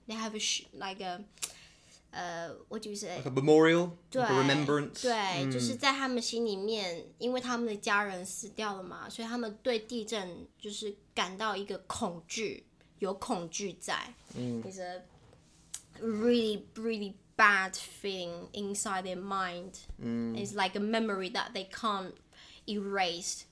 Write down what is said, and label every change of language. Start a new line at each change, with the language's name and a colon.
English: They have like a what do you say? Like a memorial, like a remembrance.
Chinese: 对、就是在他们心里面，因为他们的家人死掉了嘛，所以他们对地震就是感到一个恐惧。有恐惧在
English: It's a really, really bad feeling inside their mind. It's like a memory that they can't erase.